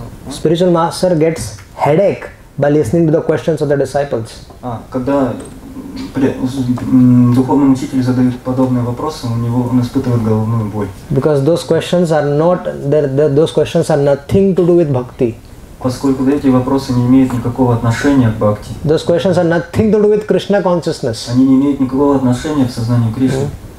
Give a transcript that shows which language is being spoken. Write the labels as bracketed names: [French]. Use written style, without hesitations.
[English] Spiritual master gets headache by listening to the questions of the disciples. [Russian] Когда духовный учитель задает подобные вопросы, он испытывает головную боль. [English] Because those questions are not those questions are nothing to do with bhakti. [Russian] Поскольку эти вопросы не имеют никакого отношения к бхакти. [English] Those questions are nothing to do with Krishna consciousness. [Russian] Они не имеют никакого отношения к сознанию Кришны.